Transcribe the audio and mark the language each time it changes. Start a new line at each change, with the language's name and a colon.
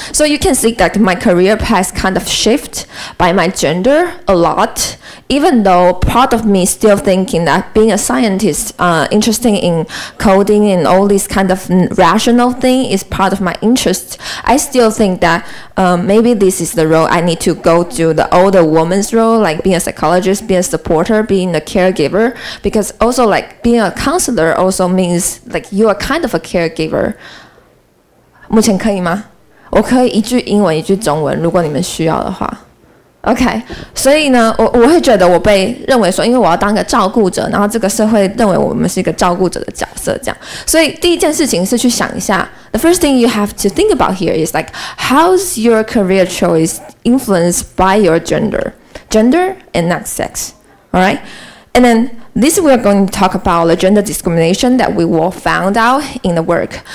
English: So you can see that my career path kind of shift by my gender a lot, even though part of me still thinking that being a scientist, interesting in coding and all these kind of rational thing is part of my interest. I still think that maybe this is the role I need to go to, the older woman's role, like being a psychologist, being a supporter, being a caregiver, because also like being a counselor also means like you are kind of a caregiver.
Chinese: 目前可以吗？我可以一句英文一句中文，如果你们需要的话。OK, 所以呢 我会觉得我被认为说因为我要当个照顾者，然后这个社会认为我们是一个照顾者的角色这样。所以第一件事情是去想一下
English: The first thing you have to think about here is like, how's your career choice influenced by your gender and not sex, alright? And then this we are going to talk about the gender discrimination that we will found out in the work.